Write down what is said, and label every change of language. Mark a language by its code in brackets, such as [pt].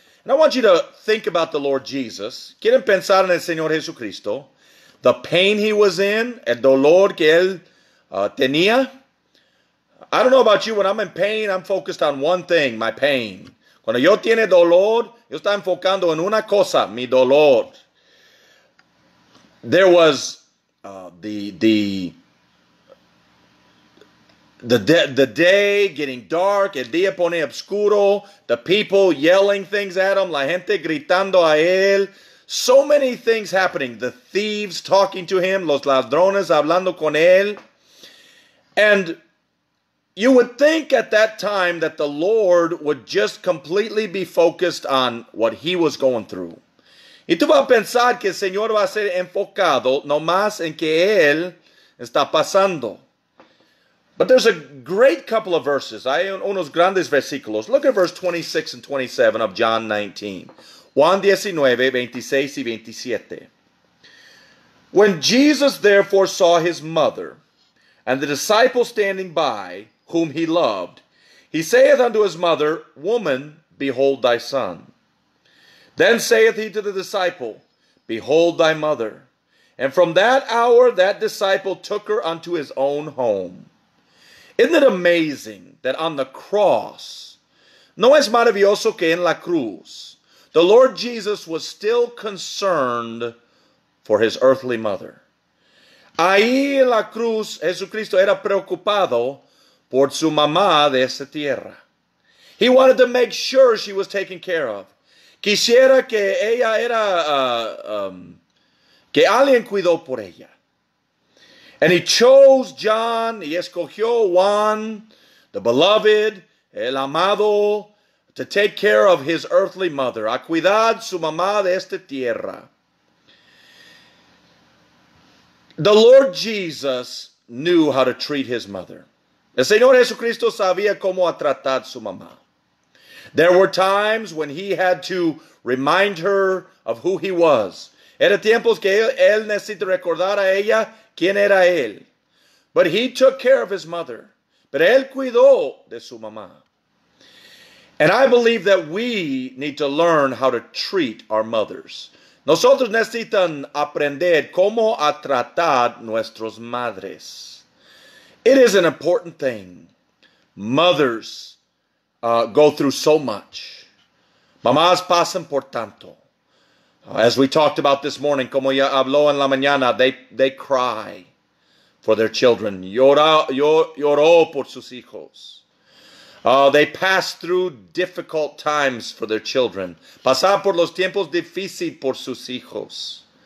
[en] And I want you to think about the Lord Jesus. [es] Quieren pensar en el Señor Jesucristo. [en] The pain He was in. [es] El dolor que Él tenía. [en] I don't know about you. When I'm in pain, I'm focused on one thing. My pain. [es] Cuando yo tiene dolor, yo estoy enfocando en una cosa. Mi dolor. [en] There was the day getting dark, [es] el día pone oscuro, [en] the people yelling things at Him, [es] la gente gritando a Él. [en] So many things happening. The thieves talking to Him, [es] los ladrones hablando con Él. [en] And you would think at that time that the Lord would just completely be focused on what He was going through. [es] Y tú vas a pensar que el Señor va a ser enfocado nomás en que Él está pasando. [en] But there's a great couple of verses. [es] Hay unos grandes versículos. [en] Look at verse 26 and 27 of John 19. [es] Juan 19, 26 y 27. [en] When Jesus therefore saw his mother and the disciple standing by, whom he loved, he saith unto his mother, Woman, behold thy son. Then saith he to the disciple, Behold thy mother. And from that hour that disciple took her unto his own home. Isn't it amazing that on the cross, [es] no es maravilloso que en la cruz, [en] the Lord Jesus was still concerned for his earthly mother. [es] Ahí en la cruz, Jesucristo era preocupado por su mamá de esa tierra. [en] He wanted to make sure she was taken care of. [es] Quisiera que ella era, que alguien cuidó por ella. [en] And he chose John, [es] y escogió Juan, [en] the beloved, [es] el amado, [en] to take care of his earthly mother. [es] A cuidar su mamá de esta tierra. [en] The Lord Jesus knew how to treat his mother. [es] El Señor Jesucristo sabía cómo a tratar su mamá. [en] There were times when he had to remind her of who he was. [es] Era tiempos que él necesita recordar a ella quién era él. [en] But he took care of his mother. [es] Pero él cuidó de su mamá. [en] And I believe that we need to learn how to treat our mothers. [es] Nosotros necesitan aprender cómo a tratar nuestros madres. [en] It is an important thing. Mothers go through so much. [es] Mamás pasan por tanto. [en] As we talked about this morning, [es] como ya habló en la mañana, [en] they cry for their children. [es] Lloró por sus hijos. [en] They pass through difficult times for their children. [es] Pasar por los tiempos difíciles por sus hijos.